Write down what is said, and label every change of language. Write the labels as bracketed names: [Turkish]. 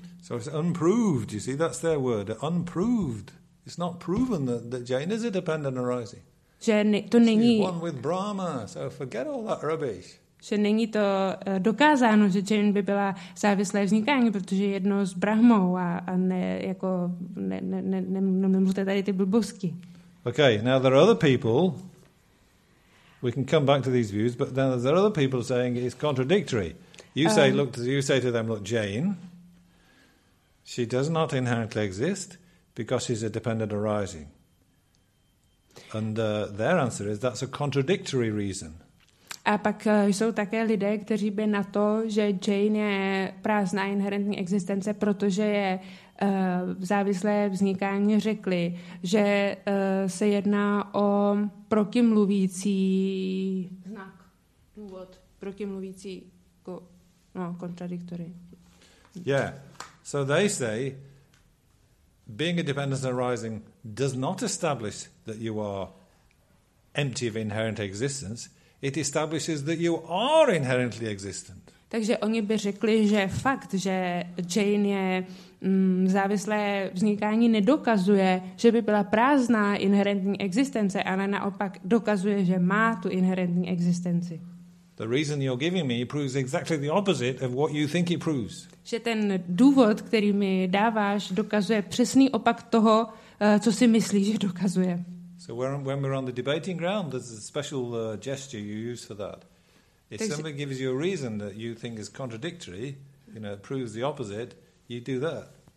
[English] So it's unproved, you see, that's their word, unproved. It's not proven that Jane is a dependent arising. [Czech] Že to není. [English] She's one with Brahma, so forget all that rubbish. [Czech] Že není to dokázáno, že Jane by byla závislé vznikání, protože je jedno s Brahmou a ne, jako, nemluvte tady ty blbosti. [English] Okay, now there are other people, we can come back to these views, but then there are other people saying it's contradictory. You say to them, look, Jane, she does not inherently exist because she's a dependent arising. And their answer is that's a contradictory reason. [Czech] A pak jsou také lidé, kteří by na to, že Jane je prázdná inherentní existence, protože je závislé vznikání, řekli, že se jedná o protimluvící znak, důvod, protimluvící, no, kontradiktory. [English] Yeah, so they say, being a dependent arising does not establish that you are empty of inherent existence. It establishes that you are inherently existent. [Czech] Takže oni by řekli, že fakt, že Jane je závislé vznikání, nedokazuje, že by byla prázdná inherentní existence, ale naopak dokazuje, že má tu inherentní existenci. [English] The reason you're giving me proves exactly the opposite of what you think it proves. [Czech] Že ten důvod, který mi dáváš, dokazuje přesný opak toho, co si myslíš, že dokazuje. [English] So when we're on the debating ground, there's a special gesture you use for that. If somebody gives you a reason that you think is contradictory, you know, proves the opposite, you do that.